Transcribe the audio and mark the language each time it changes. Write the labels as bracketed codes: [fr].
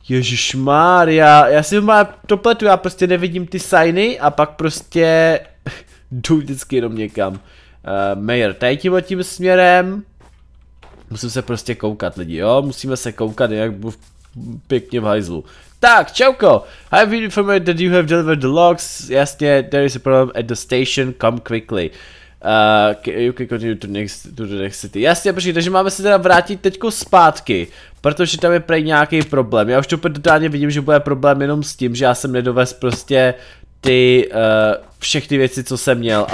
[cs] Ježišmarja, já si to pletu, já prostě nevidím ty signy a pak prostě jdu vždycky jenom někam. Mayor, tady tím směrem. Musím se prostě koukat, lidi, jo? Musíme se koukat, jak budu pěkně v hajzlu. Tak, čauko! [en] I have informed that you have delivered the logs. [cs] Jasně, [en] there is a problem at the station, come quickly. You can continue to the next city. [cs] Jasně, počkej, takže máme se teda vrátit teďko zpátky. Protože tam je prej nějaký problém. Já už to totálně vidím, že bude problém jenom s tím, že já jsem nedovez prostě ty všechny věci, co jsem měl.